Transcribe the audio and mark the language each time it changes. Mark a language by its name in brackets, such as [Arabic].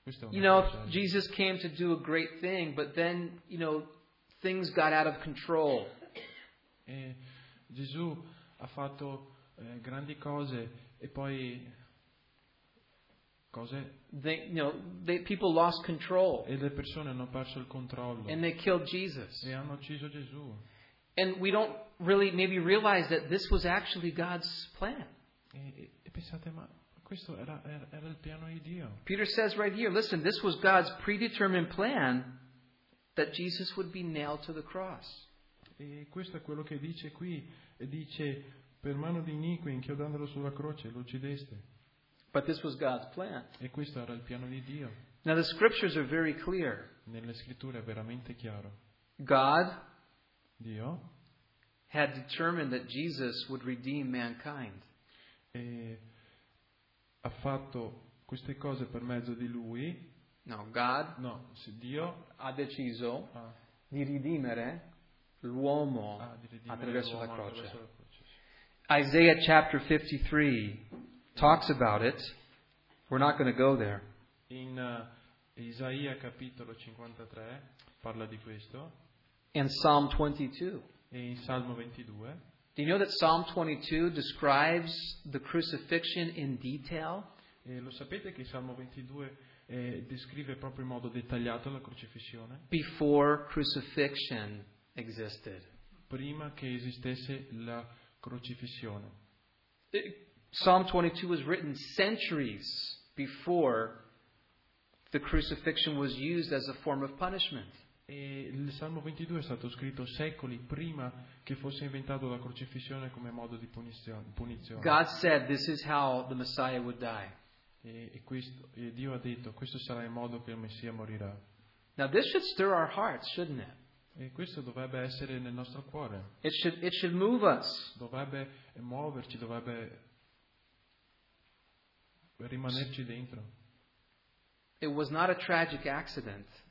[English] You know, Jesus came to do a great thing, but then, you know, things got out of control. [Italian] E Gesù ha fatto grandi cose e poi cose. [English] People lost control. [Italian] E le persone hanno perso il controllo. [English] And they killed Jesus. [Italian] E hanno ucciso Gesù. [English] And we don't really maybe realize that this was actually God's plan. [Italian] E pensate, ma questo era il piano di Dio. [English] Peter says right here, listen, this was God's predetermined plan that Jesus would be nailed to the cross. [Italian] E questo è quello che dice qui, dice per mano di iniqui inchiodandolo sulla croce lo uccideste. [English] But this was God's plan. [Italian] E questo era il piano di Dio. [English] Now the scriptures are very clear. [Italian] Nelle scritture è veramente chiaro. [English] God [Italian] Dio [English] had determined that Jesus would redeem mankind. [Italian] E ha fatto queste cose per mezzo di lui. [English] No, God. [Italian] No, Dio ha deciso di redimere l'uomo attraverso la croce. [English] Isaiah chapter 53 talks about it. We're not going to go there. [Italian] In Isaia capitolo 53 parla di questo. [English] And Psalm 22. [Italian] E in Salmo 22. [English] Do you know that Psalm 22 describes the crucifixion in detail? [Italian] E lo sapete che Salmo 22 descrive proprio in modo dettagliato la crocifissione? [English] Before crucifixion existed. [Italian] Prima che esistesse la crocifissione. [English] Psalm 22 was written centuries before the crucifixion was used as a form of punishment. [Italian] E il Salmo 22 è stato scritto secoli prima che fosse inventato la crocifissione come modo di punizione. [English] God said this is how the Messiah would die. [Italian] E Dio ha detto questo sarà il modo che il Messia morirà. [English] Now this should stir our hearts, shouldn't it? [Italian] E questo dovrebbe essere nel nostro cuore. [English] It should move us. [Italian] Dovrebbe muoverci, dovrebbe rimanerci dentro. [English] It was not a tragic accident.